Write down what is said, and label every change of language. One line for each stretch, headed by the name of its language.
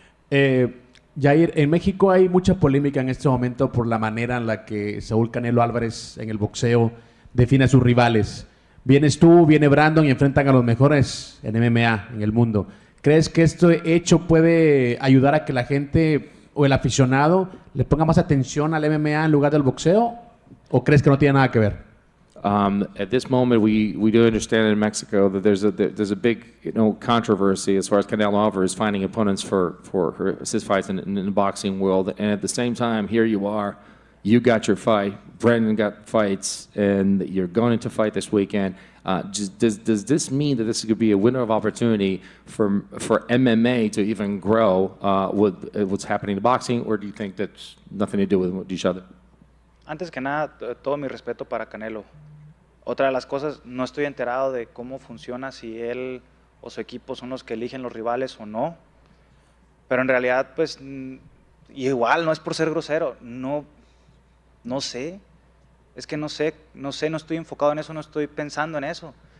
Spanish: Yair, en México hay mucha polémica en este momento por la manera en la que Saúl Canelo Álvarez en el boxeo define a sus rivales. Vienes tú, viene Brandon y enfrentan a los mejores en MMA en el mundo. ¿Crees que este hecho puede ayudar a que la gente o el aficionado le ponga más atención al MMA en lugar del boxeo? ¿O crees que no tiene nada que ver?
English: At this moment, we do understand in Mexico that there's a big, you know, controversy as far as Canelo Alvarez finding opponents for his fights in the boxing world. And at the same time, here you are, you got your fight, Brandon got fights, and you're going to fight this weekend. Does this mean that this could be a window of opportunity for MMA to even grow with what's happening to boxing, or do you think that's nothing to do with each other?
Spanish: Antes que nada, todo mi respeto para Canelo. Otra de las cosas, no estoy enterado de cómo funciona, si él o su equipo son los que eligen los rivales o no. Pero en realidad, pues, igual, no es por ser grosero. No sé. Es que no sé, no estoy enfocado en eso, no estoy pensando en eso.